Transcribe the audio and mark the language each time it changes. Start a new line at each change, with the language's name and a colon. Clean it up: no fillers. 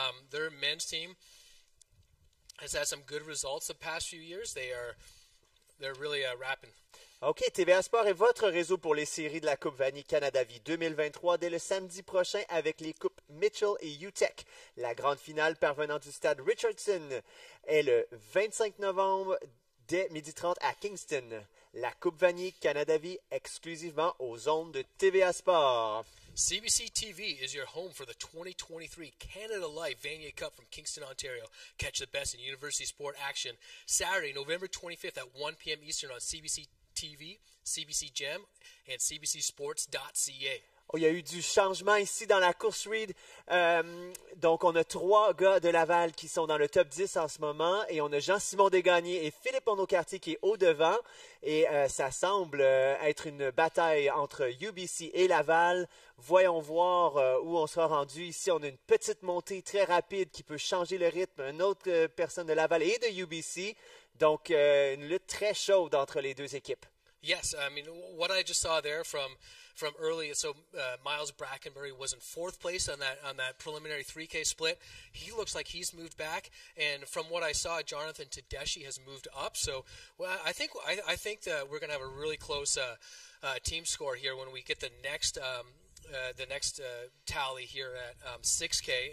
English: Their men's team has had some good results the past few years. They are they're really rapping.
French: OK, TVA Sport est votre réseau pour les séries de la Coupe Vanier Canada-Vie 2023 dès le samedi prochain avec les Coupes Mitchell et UTEC. La grande finale parvenant du stade Richardson est le 25 novembre dès 12h30 à Kingston. La Coupe Vanier Canada-Vie exclusivement aux ondes de TVA Sport.
English: CBC TV is your home for the 2023 Canada Life Vanier Cup from Kingston, Ontario. Catch the best in university sport action Saturday, November 25th at 1 p.m. Eastern on CBC TV, CBC Gem, and cbcsports.ca.
French: Oh, il y a eu du changement ici dans la course Reed. Donc, on a trois gars de Laval qui sont dans le top 10 en ce moment. Et on a Jean-Simon Desgagnés et Philippe Onocartier qui est au-devant. Et ça semble être une bataille entre UBC et Laval. Voyons voir où on sera rendu. Ici, on a une petite montée très rapide qui peut changer le rythme. Une autre personne de Laval et de UBC. Donc, une lutte très chaude entre les deux équipes.
English: Yes, I mean, what I just saw there from early, so Miles Brackenbury was in fourth place on that preliminary 3K split. He looks like he's moved back, and from what I saw, Jonathan Tedeschi has moved up. So I think that we're going to have a really close team score here when we get the next tally here at 6K.